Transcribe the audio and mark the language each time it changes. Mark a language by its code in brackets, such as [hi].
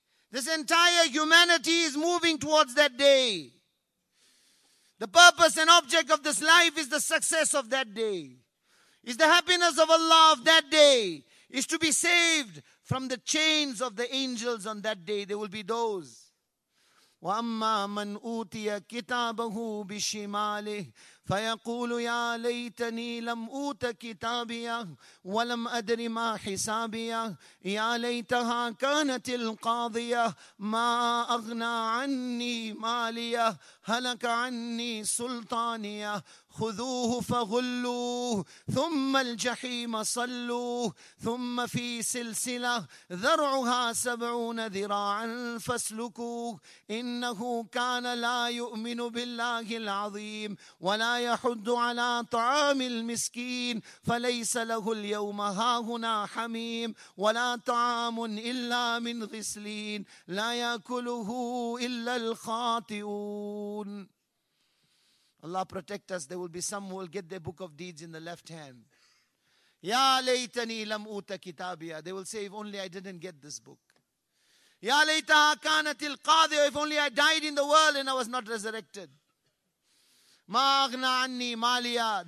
[en] This entire humanity is moving towards that day. The purpose and object of this life is the success of that day, is the happiness of Allah of that day, is to be saved from the chains of the angels on that day. There will be those. [ar] وَأَمَّا مَنْ أُوْتِيَ كِتَابَهُ بِشِمَالِهِ فيقول يا ليتني لم أوت كتابيا ولم أدر ما حسابيا يا ليتها كانت القاضية ما أغنى عني مالية هلك عني سلطانية خذوه فغلوه ثم الجحيم صلوه ثم في سلسلة ذرعها 70 ذراعا فاسلكوه إنه كان لا يؤمن بالله العظيم ولا يحض على طعام المسكين فليس له اليوم هاهنا حميم ولا طعام إلا من غسلين لا يأكله إلا الخاطئون. [en] Allah protect us. There will be some who will get their book of deeds in the left hand. [ar] Ya laytani lam uta kitabiya. [en] They will say, if only I didn't get this book. [ar] Ya laytaha kanatil qadiya. [en] If only I died in the world and I was not resurrected. [ar] Ma aghna anni maliya.